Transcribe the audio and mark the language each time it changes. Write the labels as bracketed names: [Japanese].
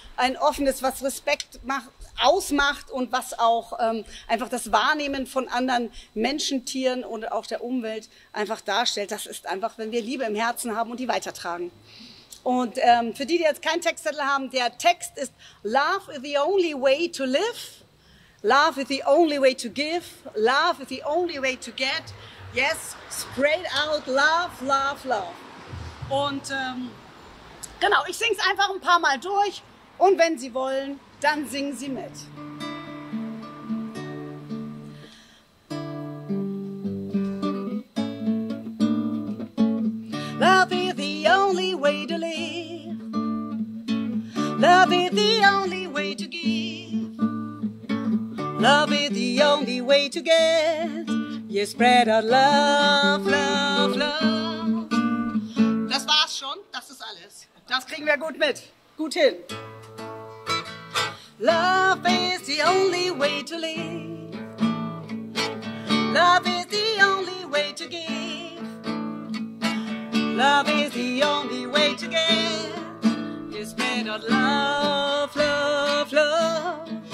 [German] Ein offenes, was Respekt macht, ausmacht und was auch einfach das Wahrnehmen von anderen Menschen, Tieren und auch der Umwelt einfach darstellt. Das ist einfach, wenn wir Liebe im Herzen haben und die weitertragen. Und für die, die jetzt keinen Textzettel haben, der Text ist [English] Love is the only way to live. Love is the only way to give. Love is the only way to get. Yes, spread out love, love, love. [German] Und genau, ich sing's einfach ein paar Mal durch. Und wenn Sie wollen, dann singen Sie mit. [English] Love is the only way to live. Love is the only way to give. Love is the only way to get. You spread out love, love, love. [German] Das war's schon, das ist alles. Das kriegen wir gut mit. Gut hin. [English] Love is the only way to live. Love is the only way to give. Love is the only way to get. It's made of love, love, love.